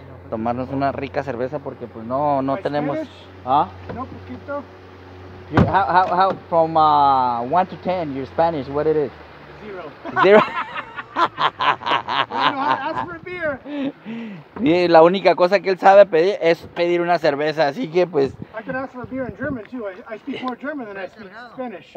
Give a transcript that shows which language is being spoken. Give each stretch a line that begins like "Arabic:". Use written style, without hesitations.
Spanish: Tomarnos una rica cerveza porque pues no, no tenemos... ¿Ah? No, poquito.
English: How from 1 to 10, your Spanish, what it is? Zero. Zero. Ask for a beer.
Spanish: Y la única cosa que él sabe pedir es pedir una cerveza, así que pues.
English: I can ask for a beer in German too. I speak more German than I speak Spanish.